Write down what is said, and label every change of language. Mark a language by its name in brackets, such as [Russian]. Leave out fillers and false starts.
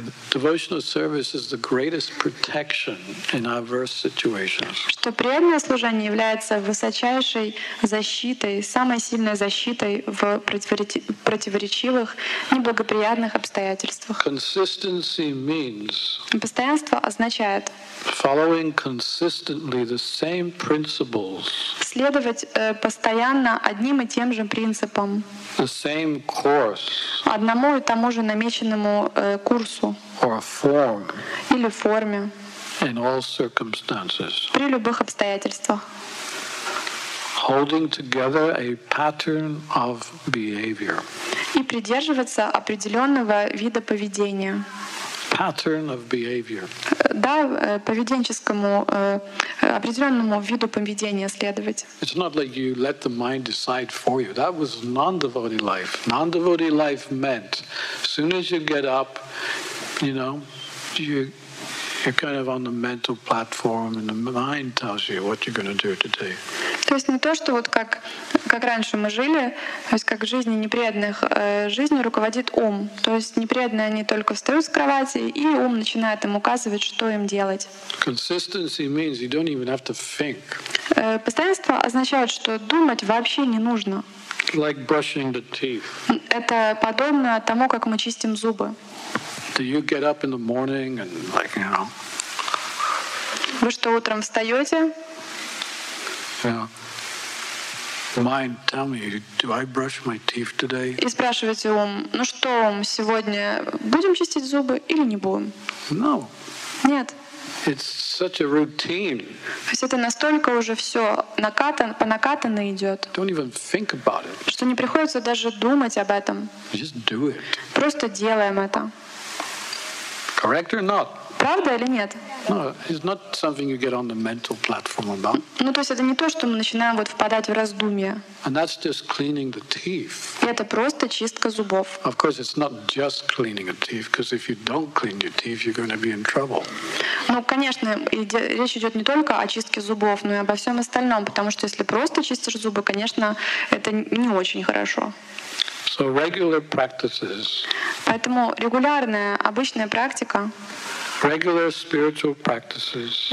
[English] Devotional service is the greatest protection in adverse situations. [Russian] Что преданное служение является высочайшей защитой, самой сильной защитой в противоречивых, неблагоприятных обстоятельствах. [English] Consistency means. [Russian] Постоянство означает. [English] Following consistently the same principles. [Russian] Следовать постоянно одним и тем же принципам. [English] The same course. [Russian] Одному и тому же намеченному курсу. [English] Or a form. [Russian] Или форме. [English] In all circumstances. [Russian] При любых обстоятельствах. [English] Holding together a pattern of behavior. [Russian] И придерживаться определенного вида поведения. [English] Pattern of behavior. [Russian] Да, поведенческому определенному виду поведения следовать. [English] It's not like you let the mind decide for you. That was non-devotee life. Non-devotee life meant, as soon as you get up, you know, you're kind of on the mental platform, and the mind tells you what you're going to do today. [Russian] То есть не то, что вот как раньше мы жили, то есть как в жизни непреданных, жизнью руководит ум. То есть непреданные, они только встают с кровати, и ум начинает им указывать, что им делать. [English] Consistency means you don't even have to think. [Russian] Постоянство означает, что думать вообще не нужно. [English] Like brushing the teeth. [Russian] Это подобно тому, как мы чистим зубы. [English] Do you get up in the morning and like, you know? [Russian] Вы что, утром встаете? [English] Mind, tell me, do I brush my teeth today? [Russian] И спрашиваете ум, ну что, сегодня будем чистить зубы или не будем? [English] No. [Russian] Нет. [English] It's such a routine. [Russian] То есть это настолько уже все по накатанной идет. [English] Don't even think about it. [Russian] Что не приходится даже думать об этом. [English] Just do it. [Russian] Просто делаем это. [English] Correct or not? [Russian] Правда или нет? [English] No, it's not something you get on the mental platform about. [Russian] Ну, то есть это не то, что мы начинаем вот впадать в раздумья. [English] And that's just cleaning the teeth. [Russian] И это просто чистка зубов. [English] Of course, it's not just cleaning the teeth, because if you don't clean your teeth, you're going to be in trouble. [Russian] Ну, конечно, речь идет не только о чистке зубов, но и обо всем остальном, потому что если просто чистишь зубы, конечно, это не очень хорошо. [English] So regular practices. [Russian] Поэтому регулярная, обычная практика. [English] Regular spiritual practices.